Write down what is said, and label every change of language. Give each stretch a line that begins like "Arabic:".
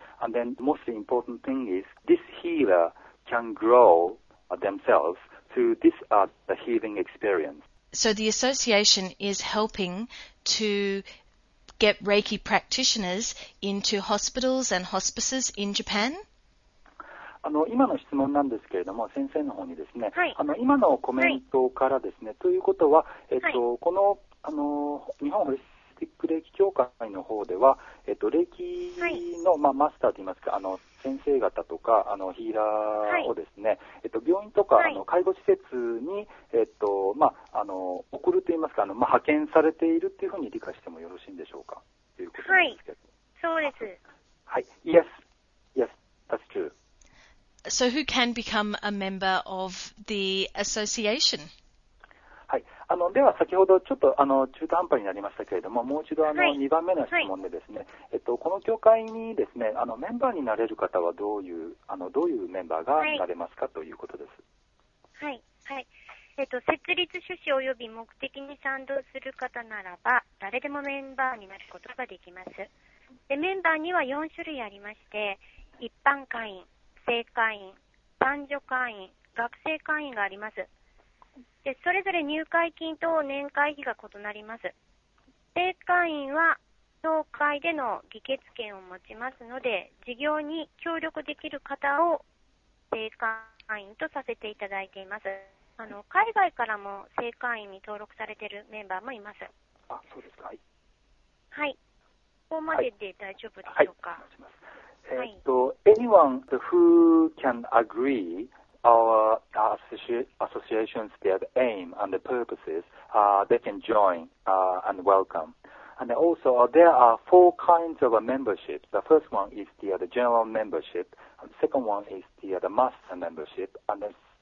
English: And then the most important thing is this healer can grow themselves through this the healing experience. So the association is helping to get Reiki practitioners into hospitals and hospices in Japan?
Japanese: 今の質問なんですけれども、先生の方にですね、はい、今のコメントからですね、はい、ということは、この、日本ホリスティック霊気協会の方では、霊気の、はい、マスターといいますか、先生方とか、ヒーラーをですね、はい、病院とか、はい、介護施設に、送るといいますか、派遣されているというふうに理解してもよろしいんでしょうか、ということなんですけど。はい、そうです。はい、
English: Yes, yes, that's true. So who can become a member of the association?
Japanese: はい。では先ほどちょっと中途半端になりましたけれども、もう一度はい、 2番目の質問でですね、はい、この協会にですね、メンバーになれる方はどういうメンバーがなれますか、はい、ということです。はい。はい。設立趣旨及び目的に賛同する方ならば、誰でもメンバーになることができます。で、メンバーには4種類ありまして、一般会員、正会員、男女会員、学生会員があります。で、それぞれ入会金と年会費が異なります。正会員は協会での議決権を持ちますので、事業に協力できる方を正会員とさせていただいています。海外からも正会員に登録されているメンバーもいます。あ、そうですか。はい。はい。ここまでで大丈夫でしょうか。はい。はい。
English: Anyone who can agree our association's aim and the purposes, they can join and welcome. And also, there are four kinds of membership. The first one is the general membership, and the second one is the master membership, and the